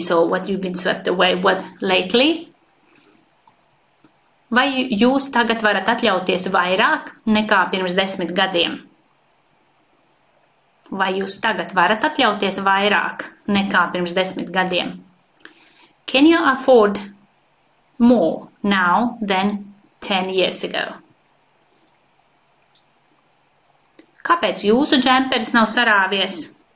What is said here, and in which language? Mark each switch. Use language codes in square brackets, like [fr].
[en] So what you've been swept away with lately? [lv] Vai jūs tagad varat atļauties vairāk nekā pirms 10 gadiem? Vai jūs tagad varat atļauties vairāk nekā pirms 10 gadiem? [en] Can you afford more now than 10 years ago? [lv] Kāpēc jūsu džemperis nav sarāvies?